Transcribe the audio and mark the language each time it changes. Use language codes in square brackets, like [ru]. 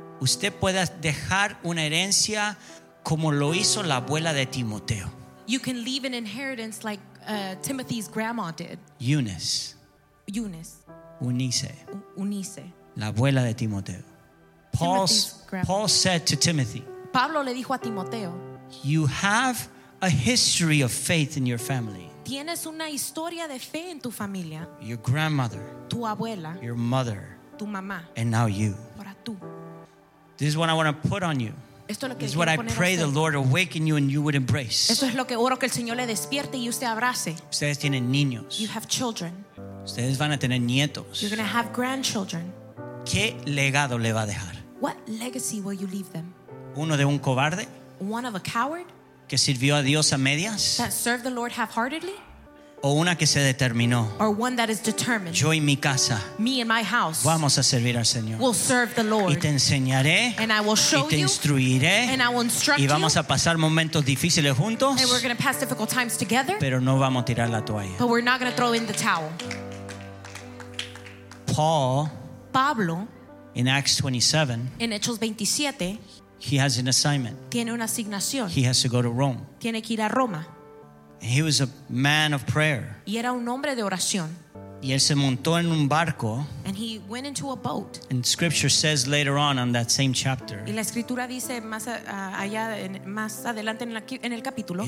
[es] Usted pueda dejar una herencia como lo hizo la abuela de Timoteo. [en] You can leave an inheritance like Timothy's grandma did. Eunice. Unice. Unice. [es] La abuela de Timoteo. [en] Paul said to Timothy. [es] Pablo le dijo a Timoteo. [en] You have a history of faith in your family. [es] Tienes una historia de fe en tu familia. [en] Your grandmother. [es] Tu abuela. [en] Your mother. [es] Tu mamá. [en] And now you. [es] Ahora tú. [en] This is what I want to put on you. [es] Esto es lo que [en] this is what I pray the Lord awaken you and you would embrace. [es] Esto es lo que oro que el Señor le despierte y usted abrace. Ustedes tienen niños. [en] You have children. [es] Ustedes van a tener nietos. [en] You're going to have grandchildren. [es] ¿Qué legado le va a dejar? [en] What legacy will you leave them? [es] ¿Uno de un cobarde? [en] One of a coward? [es] ¿Que sirvió a Dios a medias? [en] That served the Lord half-heartedly? [es] ¿O una que se determinó? [en] Or one that is determined? [es] Yo y mi casa. [en] Me and my house. [es] Vamos a servir al Señor. [en] We'll serve the Lord. [es] Y te enseñaré. [en] And I will show you. [es] Y te instruiré. [en] And I will instruct [es] you. Y vamos a pasar momentos difíciles juntos. [en] And we're going to pass difficult times together. [es] Pero no vamos a tirar la toalla. [en] But we're not going to throw in the towel. Pablo, in Acts 27, in Hechos 27, he has an assignment. [es] Tiene una asignación. [en] He has to go to Rome. [es] Tiene que ir a Roma. [en] And he was a man of prayer. [es] Y era un hombre de oración. Y él se montó en un barco. [en] And he went into a boat. And Scripture says later on that same chapter. [es] Y la escritura dice más adelante en el capítulo.